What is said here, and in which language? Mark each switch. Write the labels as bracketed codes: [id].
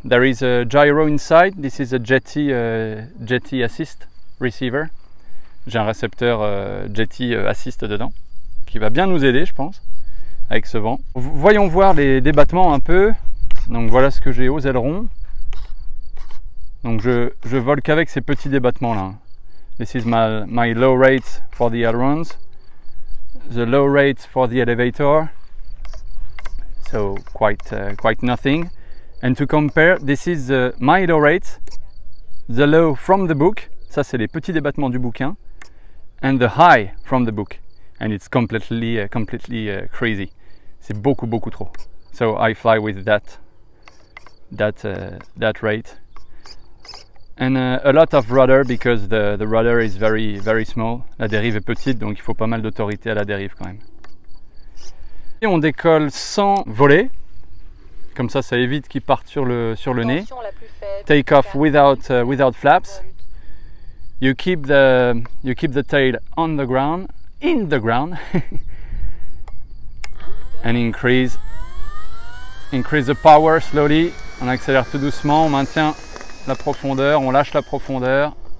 [en] There is a gyro inside. This is a jetty assist receiver. [fr] J'ai un récepteur jetty assist dedans qui va bien nous aider, je pense, avec ce vent. Voyons voir les débattements un peu. Donc voilà ce que j'ai aux ailerons. Donc je vole qu'avec ces petits débattements là. [en] This is my low rate for the ailerons. The low rate for the elevator. So quite nothing. And to compare, this is my low rate. The low from the book. [fr] Ça, c'est les petits débattements du bouquin. [en] And the high from the book. And it's completely crazy. [fr] C'est beaucoup, beaucoup trop. [en] So I fly with that rate. And a lot of rudder, because the rudder is very, very small. [fr] La dérive est petite, donc il faut pas mal d'autorité à la dérive quand même. Et on décolle sans voler. Comme ça, ça évite qu'il parte sur le nez. [en] Take off without flaps. You keep the tail on the ground, in the ground, and increase the power slowly. [fr] On accélère tout doucement, on maintient la profondeur, on lâche la profondeur.